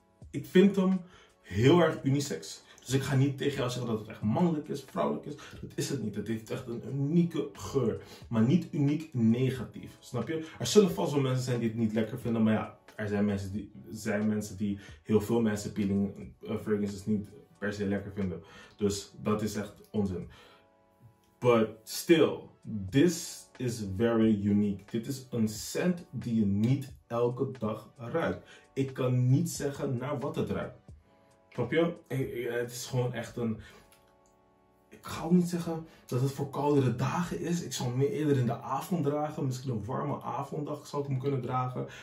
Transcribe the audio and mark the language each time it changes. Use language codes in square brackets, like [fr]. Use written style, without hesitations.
[nl] Ik vind hem heel erg unisex. Dus ik ga niet tegen jou zeggen dat het echt mannelijk is, vrouwelijk is. Dat is het niet. Het heeft echt een unieke geur. Maar niet uniek negatief. Snap je? Er zullen vast wel mensen zijn die het niet lekker vinden. Maar ja, er zijn mensen die heel veel mensen peeling fragrances niet per se lekker vinden. Dus dat is echt onzin. [en] But still, this is very unique. [nl] Dit is een scent die je niet elke dag ruikt. Ik kan niet zeggen naar wat het ruikt. Snap je? Het is gewoon echt een. Ik ga ook niet zeggen dat het voor koudere dagen is. Ik zou meer eerder in de avond dragen. Misschien een warme avonddag zou ik hem kunnen dragen.